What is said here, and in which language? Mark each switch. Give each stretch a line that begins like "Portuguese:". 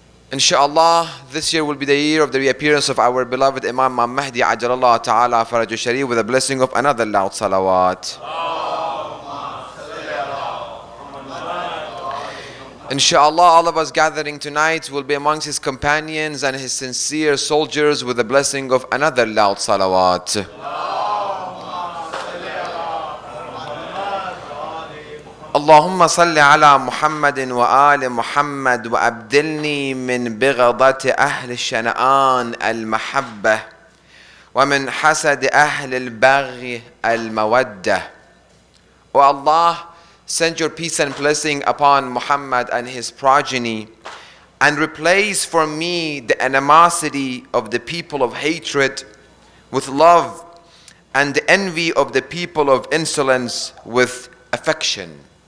English: Inshallah, this year will be the year of the reappearance of our beloved Imam Mahdi Ajalallah Ta'ala Faraju Sharif with the blessing of another loud salawat. Inshallah, all of us gathering tonight will be amongst his companions and his sincere soldiers with the blessing of another loud salawat.
Arabic: اللهم صل على محمد وآل محمد وأبدلني من بغضة أهل الشنآن المحبة ومن حسد أهل البغي المودة.
English: O Allah, send your peace and blessing upon Muhammad and his progeny, and replace for me the animosity of the people of hatred with love, and the envy of the people of insolence with affection.